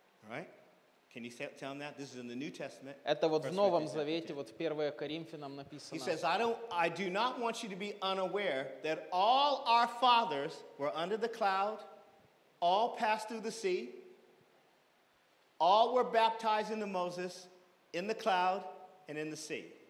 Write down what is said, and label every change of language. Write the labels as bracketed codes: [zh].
[en] All right? Can you tell him that? This is in the New Testament. [ru] Это вот в Новом Завете, вот в 1 Коринфянам написано. [en] He says, I do not want you to be unaware that all our fathers were under the cloud, all passed through the sea, all were baptized into Moses, in the cloud, and in the sea.